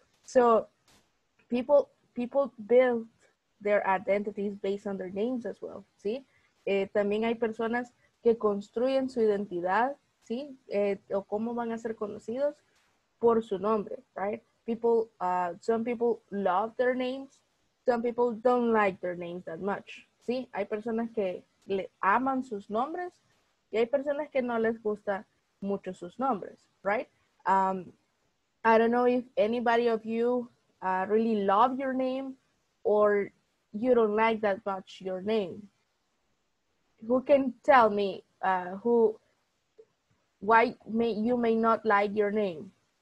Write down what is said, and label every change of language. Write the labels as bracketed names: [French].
[English] So people build their identities based on their names as well, ¿sí? [Spanish] También hay personas que construyen su identidad, ¿sí? O cómo van a ser conocidos por su nombre, right? [English] People, some people love their names, some people don't like their names that much, ¿sí? [Spanish] Hay personas que le aman sus nombres y hay personas que no les gusta mucho sus nombres, right? [English] I don't know if anybody of you really love your name or you don't like that much your name. Who can tell me why you may not like your name?